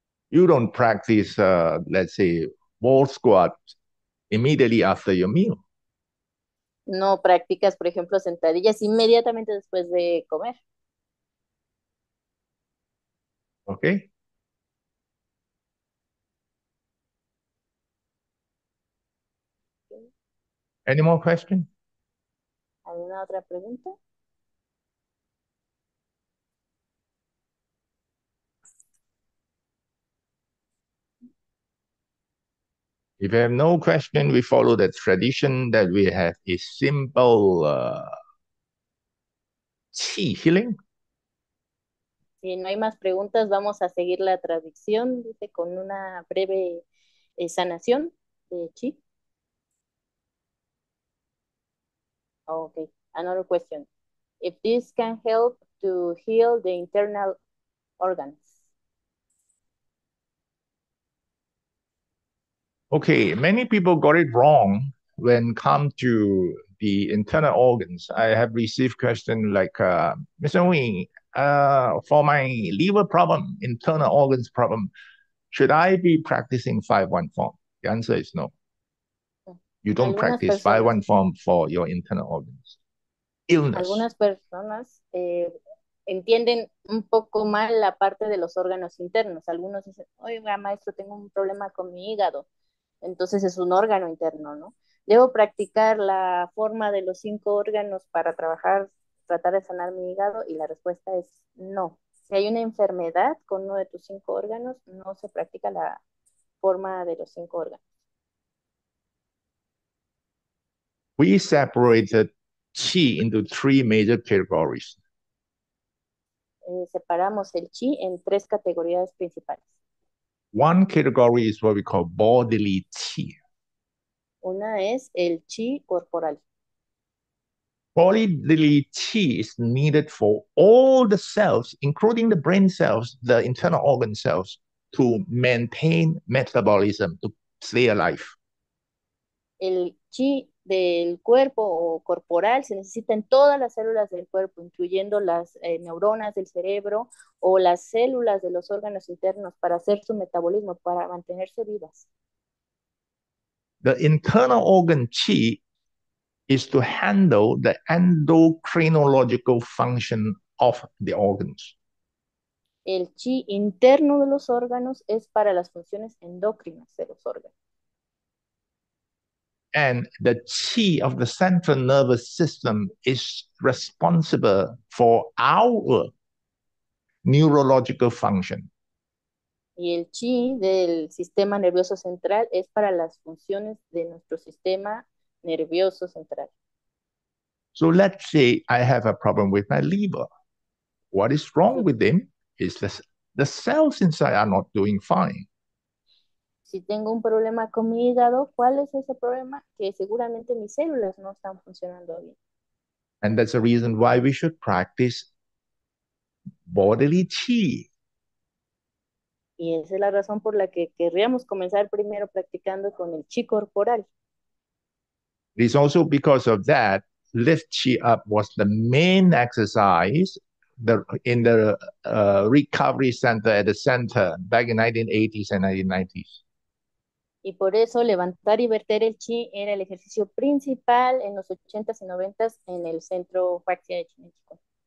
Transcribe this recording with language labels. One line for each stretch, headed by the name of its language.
English: You don't practice, let's say, wall squat immediately after your meal.
Spanish: No practicas, por ejemplo, sentadillas inmediatamente después de comer.
English: Okay. Any more question?
Spanish: ¿Alguna otra pregunta?
English: If you have no question, we follow the tradition that we have a simple chi healing.
Spanish: Si no hay más preguntas, vamos a seguir la tradición, dice, con una breve sanación de chi.
English: Okay, another question. If this can help to heal the internal organs. Okay, many people got it wrong when it comes to the internal organs. I have received questions like, Mr. Wing, for my liver problem, internal organs problem, should I be practicing 5-1 form? The answer is no. You don't practice 5-1 form for your internal organs. Illness.
Spanish: Algunas personas entienden un poco mal la parte de los órganos internos. Algunos dicen, oiga, maestro, tengo un problema con mi hígado. Entonces es un órgano interno, ¿no? ¿Debo practicar la forma de los cinco órganos para tratar de sanar mi hígado? Y la respuesta es no. Si hay una enfermedad con uno de tus cinco órganos, no se practica la forma de los cinco órganos.
English: We separated qi into three major categories.
Spanish: Separamos el chi en tres categorías principales.
English: One category is what we call bodily qi.
Spanish: Una es el chi corporal.
English: Bodily qi is needed for all the cells, including the brain cells, the internal organ cells, to maintain metabolism, to stay alive.
Spanish: El chi del cuerpo o corporal se necesitan todas las células del cuerpo, incluyendo las neuronas del cerebro o las células de los órganos internos para hacer su metabolismo, para mantenerse vivas.
English: The internal organ qi is to handle the endocrinological function of the organs.
Spanish: El chi interno de los órganos es para las funciones endocrinas de los órganos.
English: And the qi of the central nervous system is responsible for our neurological function.
Spanish: Y el chi del sistema nervioso central es para las funciones de nuestro sistema nervioso central.
English: So let's say I have a problem with my liver. What is wrong with them is the cells inside are not doing fine.
Spanish: Si tengo un problema con mi hígado, ¿cuál es ese problema? Que seguramente mis células no están funcionando bien.
English: And that's the reason why we should practice bodily qi.
Spanish: Y esa es la razón por la que querríamos comenzar primero practicando con el chi corporal.
English: It's also because of that. Lift chi up was the main exercise in the recovery center at the center back in 1980s and 1990s.
Spanish: Y por eso levantar y verter el chi era el ejercicio principal en los 80s y 90s en el centro Huaxia de Chinechico.